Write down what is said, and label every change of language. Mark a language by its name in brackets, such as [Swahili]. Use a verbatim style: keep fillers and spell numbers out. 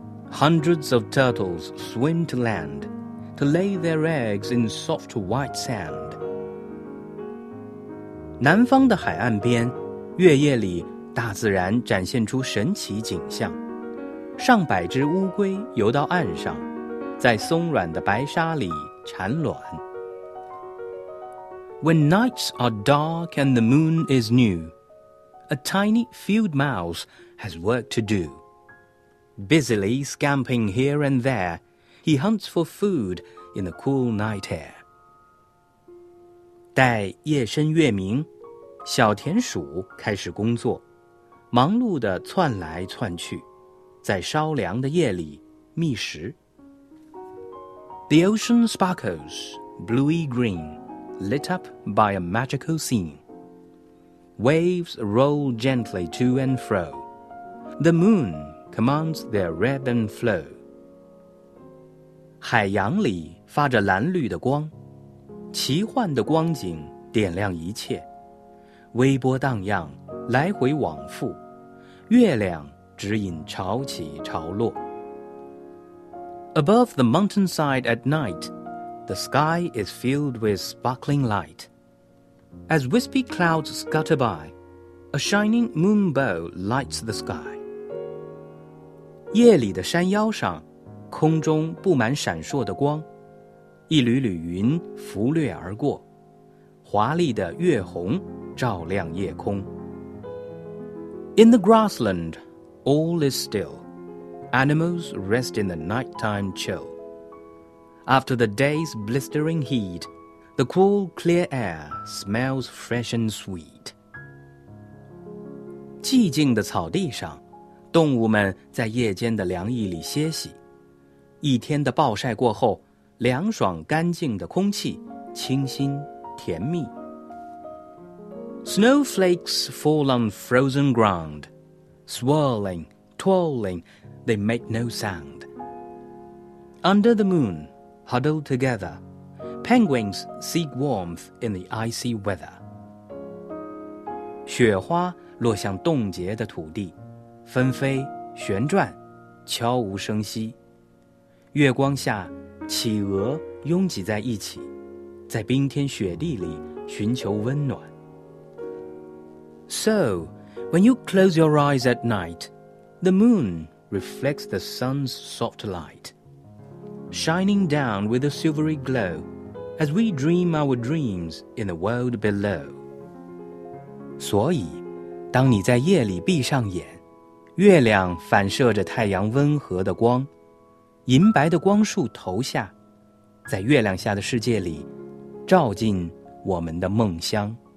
[English] Hundreds of turtles swim to land to lay their eggs in soft white sand. [Chinese] 南方的海岸边，月夜里大自然展现出神奇景象。上百只乌龟游到岸上，在松软的白沙里产卵。 [English] When nights are dark and the moon is new, a tiny field mouse has work to do. Busily scampering here and there, he hunts for food in the cool night air. [Chinese] 待夜深月明，小田鼠开始工作，忙碌地窜来窜去，在稍凉的夜里觅食。 [English] The ocean sparkles, bluey green, lit up by a magical scene. Waves roll gently to and fro. The moon commands their ebb and flow. [Chinese] 海洋里发着蓝绿的光，奇幻的光景点亮一切，微波荡漾，来回往复，月亮指引潮起潮落。 [English] Above the mountainside at night, the sky is filled with sparkling light. As wispy clouds scutter by, a shining moonbow lights the sky. [Chinese] 夜里的山腰上，空中布满闪烁的光，一缕缕云拂掠而过，华丽的月红照亮夜空。 [English] In the grassland, all is still. Animals rest in the nighttime chill. After the day's blistering heat, the cool, clear air smells fresh and sweet. [Chinese] 寂静的草地上，动物们在夜间的凉意里歇息。一天的暴晒过后，凉爽干净的空气，清新甜蜜。 [English] Snowflakes fall on frozen ground, swirling, twirling, they make no sound. Under the moon, huddled together, penguins seek warmth in the icy weather. [Chinese] 雪花落向冻结的土地，纷飞旋转，悄无声息。月光下，企鹅拥挤在一起，在冰天雪地里寻求温暖。 [English] So, when you close your eyes at night, the moon reflects the sun's soft light, shining down with a silvery glow as we dream our dreams in the world below. [Chinese] 所以，当你在夜里闭上眼，月亮反射着太阳温和的光，银白的光束投下，在月亮下的世界里，照进我们的梦乡。